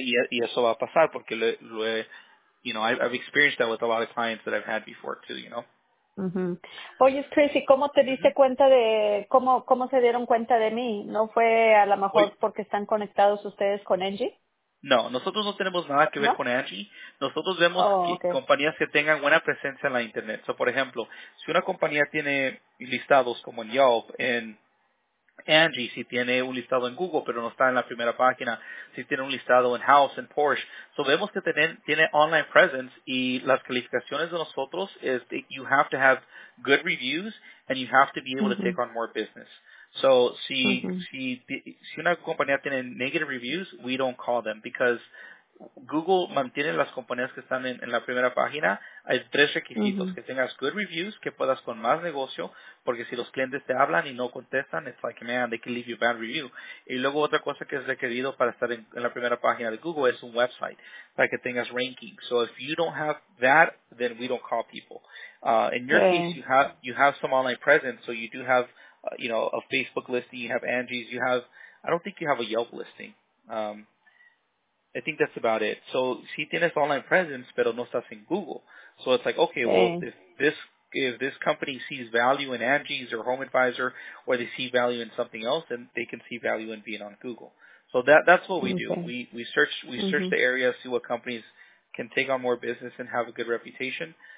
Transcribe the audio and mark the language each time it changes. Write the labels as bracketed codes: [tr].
[es] Y eso va a pasar porque [en] I've experienced that with a lot of clients that I've had before too, you know. [es] Oye, Tracy, ¿cómo te diste cuenta de cómo se dieron cuenta de mí? ¿No fue a lo mejor porque están conectados ustedes con Angie? No, nosotros no tenemos nada que ver con Angie. Nosotros vemos compañías que tengan buena presencia en la internet. So, por ejemplo, si una compañía tiene listados como en Yelp, en Angie, si tiene un listado en Google, pero no está en la primera página, si tiene un listado en House, en Porsche. So vemos que tiene online presence y las calificaciones de nosotros es [en] that you have to have good reviews and you have to be able to take on more business. [es] So si una compañía tiene negative reviews, [en] we don't call them because [es] Google mantiene las compañías que están en la primera página. Hay tres requisitos: que tengas good reviews, que puedas con más negocio, porque si los clientes te hablan y no contestan, [en] it's like, man, they can leave you a bad review. [es] Y luego otra cosa que es requerido para estar en la primera página de Google es un website, para que tengas ranking. [en] So if you don't have that, then we don't call people. In your case, you have some online presence, so you do have, you know, a Facebook listing, you have Angie's, you have, I don't think you have a Yelp listing. I think that's about it. [es] So, si tienes online presence, pero no estás en Google. [en] So, it's like, okay, well, if this company sees value in Angie's or Home Advisor, or they see value in something else, then they can see value in being on Google. So, that's what we do. We search the area, see what companies can take on more business and have a good reputation.